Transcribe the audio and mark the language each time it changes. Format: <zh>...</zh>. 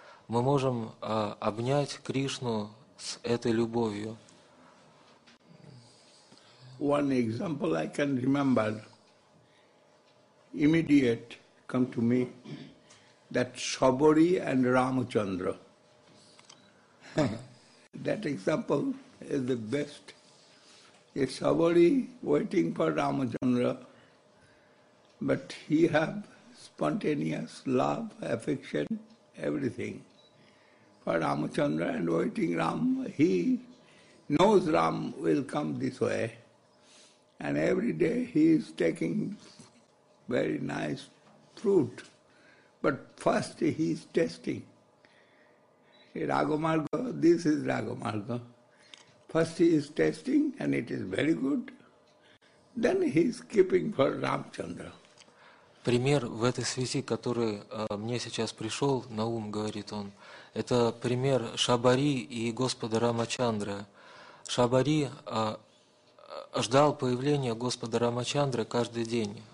<ru>Мы можем обнять Кришну с этой любовью.</ru> <en>One example I can remember, immediate come to me, that Sabari and Ramachandra. That example is the best. A Sabari waiting for Ramachandra, but he have spontaneous love, affection, everything for Ramachandra, and waiting Ram, he knows Ram will come this way. And every day he is taking very nice fruit. But first he is testing. Ragamarga, this is Ragamarga. First he is testing and it is very good. Then he is keeping for Ramchandra.</en> <ru>Пример в этой связи, который мне сейчас пришел на ум, говорит он, это пример Шабари и Господа Рамачандра. Шабари ждал появления Господа Рамачандры каждый день.</ru>